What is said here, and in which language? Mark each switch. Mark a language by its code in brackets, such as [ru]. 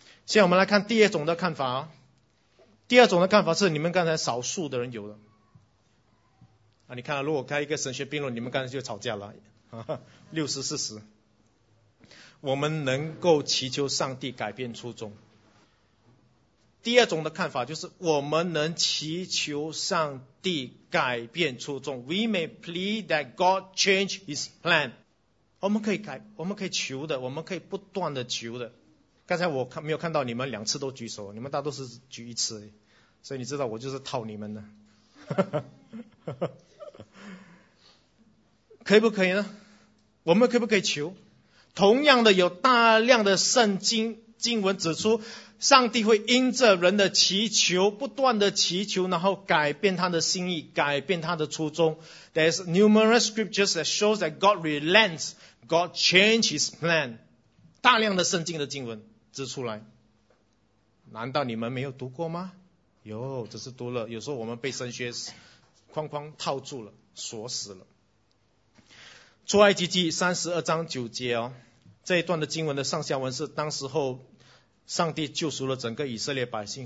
[zh] 现在我们来看第二种的看法啊。第二种的看法是你们刚才少数的人有的啊，你看如果开一个神学辩论，你们刚才就吵架了，60-40。我们能够祈求上帝改变初衷。第二种的看法就是我们能祈求上帝改变初衷。 [en] We may plead that God change His plan。 [zh] 我们可以改，我们可以求的，我们可以不断的求的。刚才我看没有看到你们两次都举手，你们大多是举一次，所以你知道我就是套你们的。可以不可以呢？我们可不可以求？同样的，有大量的圣经经文指出，上帝会因着人的祈求，不断的祈求，然后改变他的心意，改变他的初衷。 [en] There's numerous scriptures that shows that God relents, God changes His plan. [zh] 大量的圣经的经文指出来，难道你们没有读过吗？有，只是读了。有时候我们被神学框框套住了，锁死了。出埃及记32:9哦，这一段的经文的上下文是当时候上帝救赎了整个以色列百姓。